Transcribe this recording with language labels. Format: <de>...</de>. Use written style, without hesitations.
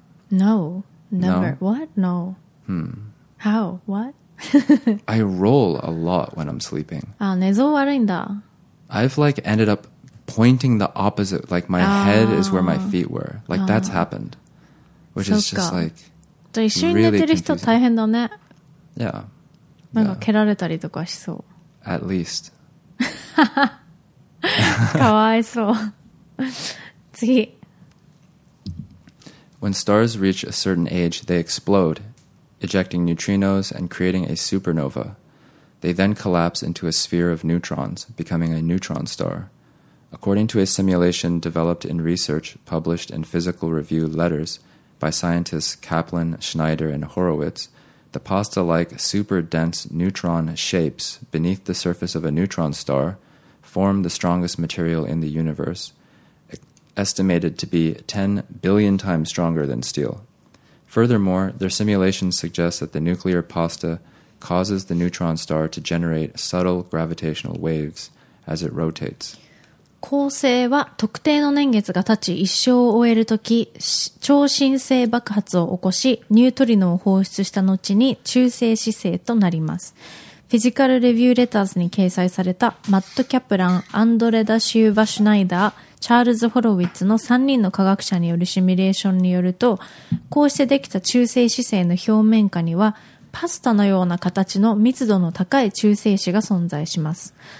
<en>No, never. No. What? No. How? What? I roll a lot when I'm sleeping.</en> <ja>Ah, 寝相悪いんだ。</ja> <en>I've like ended up pointing the opposite. Like my head is where my feet were. Like that's happened. Which is just like really confusing.</en> <ja>一緒に寝てる人大変だね。</ja> <en>Yeah.</en> <ja>なんか蹴られたりとかしそう。</ja> <en>At least.</en> <ja>かわいそう。</ja> <en>When stars reach a certain age, they explode, ejecting neutrinos and creating a supernova. They then collapse into a sphere of neutrons, becoming a neutron star. According to a simulation developed in research published in Physical Review Letters by scientists Kaplan, Schneider, and Horowitz, the pasta-like super-dense neutron shapes beneath the surface of a neutron star form the strongest material in the universe, estimated to be 10 billion times stronger than steel. Furthermore, their simulation suggests that the nuclear pasta causes the neutron star to generate subtle gravitational waves as it rotates.</en> <ja>恒星は特定の年月が経ち一生を終えるとき、超新星爆発を起こし、ニュートリノを放出した後に中性子星となります。フィジカルレビューレターズに掲載されたマット・キャプラン、アンドレ・ダ・シューバ・シュナイダー、チャールズ・ホロウィッツの3人の科学者によるシミュレーションによると、こうしてできた中性子星の表面下には、パスタのような形の密度の高い中性子が存在します。</ja>